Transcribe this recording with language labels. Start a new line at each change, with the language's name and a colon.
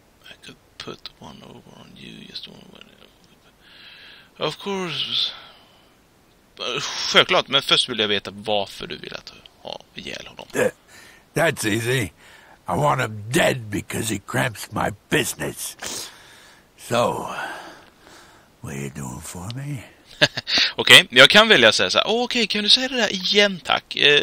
English: I could put one over on you. Just one over. Of course.
Swedish: Självklart, men först vill jag veta varför du vill att ha ihjäl honom.
English: That's easy. I want him dead because he cramps my business. So, what are you doing for me?
Swedish: Okej, okay, jag kan välja att säga så här. Okej, okay, kan du säga det där igen, tack?